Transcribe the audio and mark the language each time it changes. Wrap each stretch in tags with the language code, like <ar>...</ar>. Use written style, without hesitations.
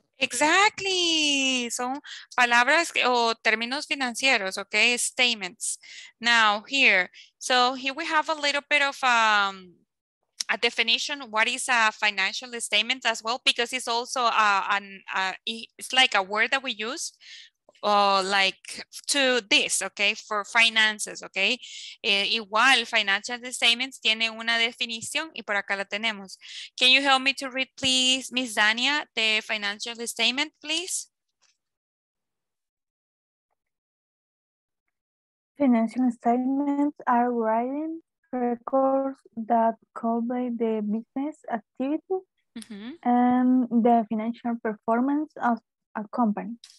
<es>Exactly. Son palabras o términos financieros, okay? Statements.</es> <en>Now here, so here we have a little bit of a definition, what is a financial statement as well, because it's also it's like a word that we use like to this, okay, for finances, okay.</en> <es>Igual, financial statements tiene una definición y por acá la tenemos.</es> <en>Can you help me to read, please, Miss Dania, the financial statement, please? Financial statements are writing records that convey the business activity and the financial performance of a company.</en>